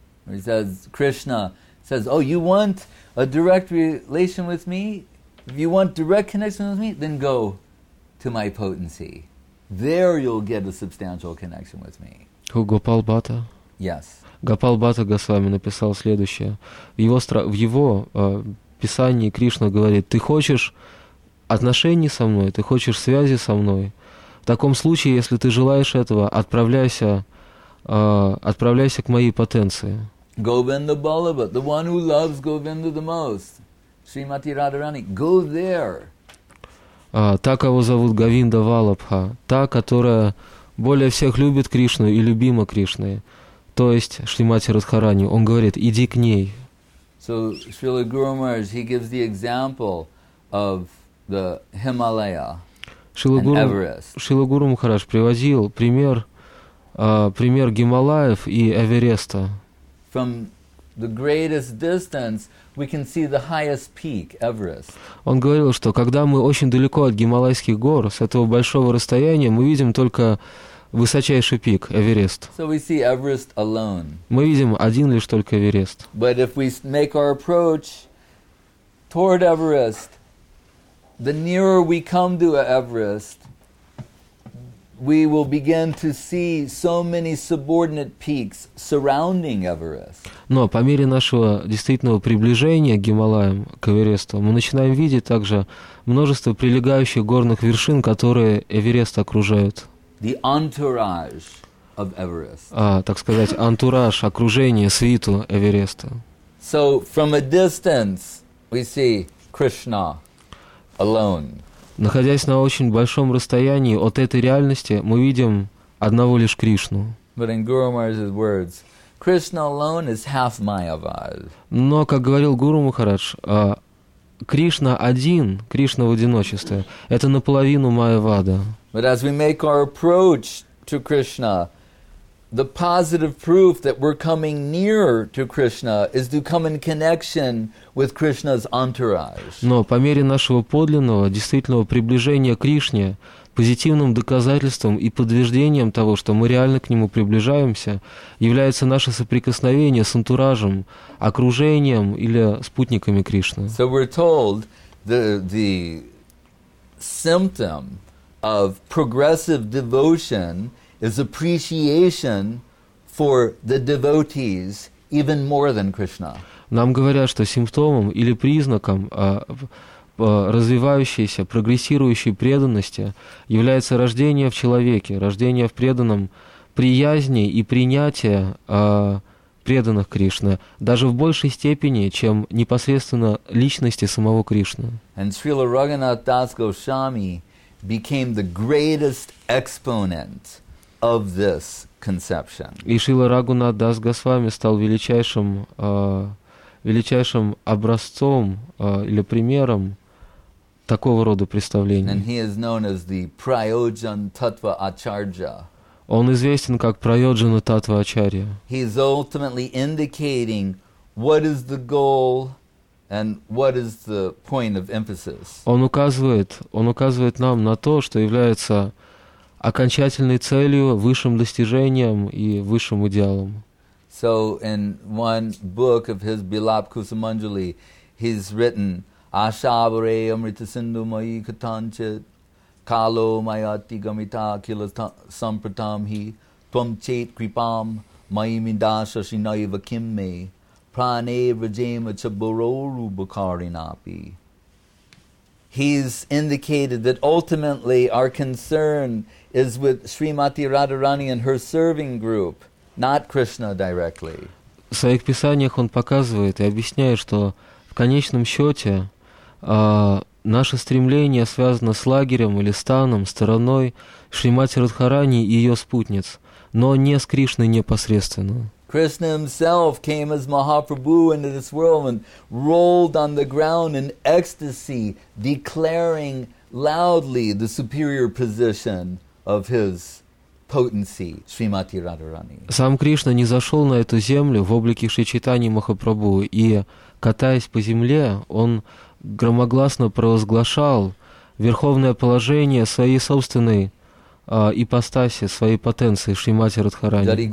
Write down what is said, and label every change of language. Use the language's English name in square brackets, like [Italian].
[English] He says, Krishna says, oh, you want a direct relation with me? If you want direct connection with me, then go to my potency. There you'll get a substantial connection with me. Who, Gopal Bhatta? Yes. [Russian] Гопал Бхатта Госвами написал следующее. В его писании Кришна говорит, ты хочешь отношений со мной, ты хочешь связи со мной. В таком случае, если ты желаешь этого, отправляйся к моей потенции. [English] Govinda Balabha, the one who loves Govinda the most. Srimati Radharani, go there. [Russian] Та, кого зовут Говинда Валабха, та, которая более всех любит Кришну и любима Кришной. То есть Шримати Радхарани, он говорит, иди к ней. [English] So Srila Guru Maharaj, he gives the example of the Himalaya and Everest. [Russian] Шрила Гуру Махарадж приводил пример Гималаев и Эвереста. [English] From the greatest distance, we can see the highest peak, Everest. [Russian] Он говорил, что когда мы очень далеко от Гималайских гор, с этого большого расстояния, мы видим только высочайший пик Эверест. [English] So we see Everest alone. [Russian] Мы видим один лишь только Эверест. [English] But if we make our approach toward Everest, the nearer we come to Everest, we will begin to see so many subordinate peaks surrounding Everest. [Russian] Но по мере нашего действительного приближения к Гималаям, к Эвересту, мы начинаем видеть также множество прилегающих горных вершин, которые Эверест окружают. [English] The entourage of Everest. [Russian] Так сказать, антураж, окружение, свиту Эвереста. [English] So from a distance we see Krishna alone. [Russian] Находясь на очень большом расстоянии от этой реальности, мы видим одного лишь Кришну. [English] But in Guru Maharaj's words, Krishna alone is half Mayavad. [Russian] Но, как говорил Гуру Махарадж, Кришна один, Кришна в одиночестве, это наполовину Майявада. [English] But as we make our approach to Krishna, the positive proof that we're coming nearer to Krishna is to come in connection with Krishna's entourage. [Russian] Но по мере нашего подлинного, действительного приближения к Кришне, позитивным доказательством и подтверждением того, что мы реально к нему приближаемся, является наше соприкосновение с антуражем, окружением или спутниками Кришны. [English] So we're told the symptom of progressive devotion is appreciation for the devotees even more than Krishna. [Russian] Нам говорят, что симптомом или признаком развивающейся, прогрессирующей преданности является рождение в человеке, рождение в преданном приязни и принятие преданных Кришны даже в большей степени, чем непосредственно личности самого Кришны. [English] And Srila Raghunath Das Goswami became the greatest exponent of this conception. [Russian] И Шрила Рагунат Дас Госвами стал величайшим, величайшим образцом или примером такого рода представления. [English] And he is known as the Prayojan Tattva Acharya. [Russian] Он известен как Прайоджана Татва Ачарья. [English] He is ultimately indicating what is the goal and what is the point of emphasis. [Russian] Он указывает нам на то, что является окончательной целью, высшим достижением и высшим идеалом. [English] So in one book of his Bilap Kusumanjali, he's written [Sanskrit] Ashavare Amritasindhu Mayi Katanchit Kalo Mayati Gamita Kila Sampratam Hi Tvam Chet Kripam Mayi Mindasha Shinayiva Kimme Prane Vrajema Chaburoru Bukharinapi. [English] He's indicated that ultimately our concern is with Srimati Radharani and her serving group, not Krishna directly. [Russian] В своих писаниях он показывает и объясняет, что в конечном счете наше стремление связано с лагерем или станом, стороной Шримати Радхарани и ее спутниц, но не с Кришной непосредственно. [English] Krishna himself came as Mahaprabhu into this world and rolled on the ground in ecstasy, declaring loudly the superior position of his potency, Srimati Radharani. [Russian] Сам Кришна не зашел на эту землю в облике Шри Чайтаньи Махапрабху, и, катаясь по земле, он громогласно провозглашал верховное положение своей собственной ипостаси, своей потенции, Шримати Радхарани.